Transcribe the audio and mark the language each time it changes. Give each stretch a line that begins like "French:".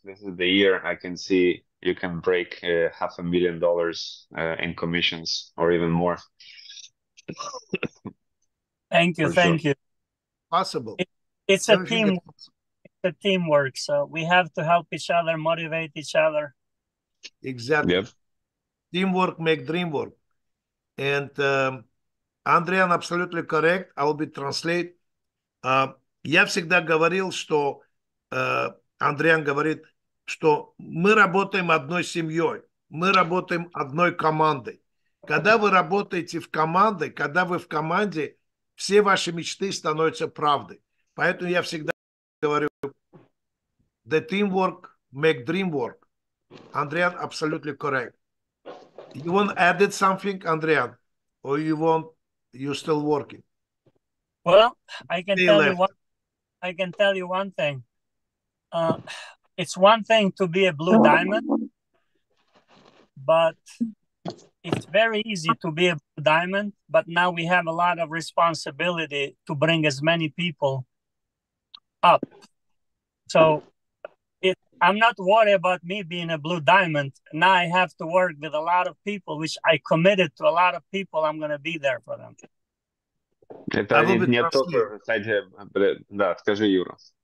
English: This is the year I can see you can break $500,000 in commissions or even more. Thank you. Thank you. Possible. It's a team. It's a teamwork. So we have to help each other, motivate each other. Exactly. Yep. Teamwork make dream work. And Андриан
Russian: абсолютно
English: correct. I will be translate.
Russian: Я всегда говорил, что Андриан говорит, что мы работаем одной семьей, мы работаем одной командой. Когда вы работаете в команде, когда вы в команде, все ваши мечты становятся правдой. Поэтому я всегда говорю,
English: the teamwork make dream work.
Russian: Андриан абсолютно
English: correct. You want added something, Andrian, or you want you still working? Well, I can tell you one. I can tell you one thing. It's one thing to be a blue diamond, but it's very easy to be a blue diamond. But now we have a lot of responsibility to bring as many people up. So. I'm not worried about me being a blue diamond. Now I have to work with a lot of people, which I committed to a lot of people. I'm going to be there for them.
Russian: Это не просто... только, кстати, да, скажи, Юра,